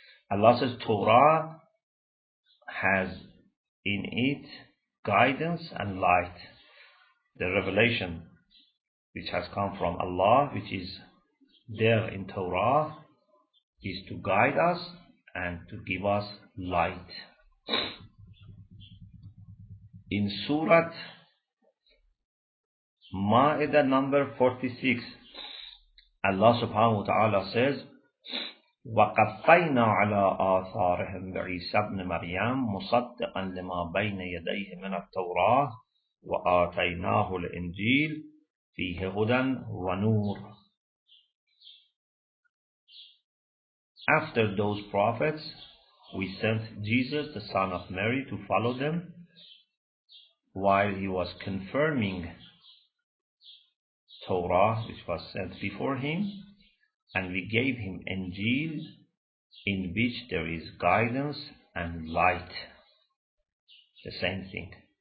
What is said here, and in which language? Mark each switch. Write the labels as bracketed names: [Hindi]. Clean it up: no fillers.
[English] Allah says Torah has in it guidance and light, the revelation which has come from Allah, which is there in Torah, is to guide us and to give us light. In Surah Ma'idah number 46, Allah subhanahu wa ta'ala says, [Arabic] وَقَفَّيْنَا عَلَىٰ آثَارِهِمْ بِعِيسَى ابْنِ مَرْيَمَ مُصَدِّقًا لِمَا بَيْنَ يَدَيْهِ مِنَ التَّوْرَاةِ وَآتَيْنَاهُ الْإِنْجِيلَ فِيهِ هُدًى وَنُورٌ. [English] After those prophets, we sent Jesus, the son of Mary, to follow them while he was confirming Torah, which was sent before him, and we gave him Injil, in which there is guidance and light. The same thing.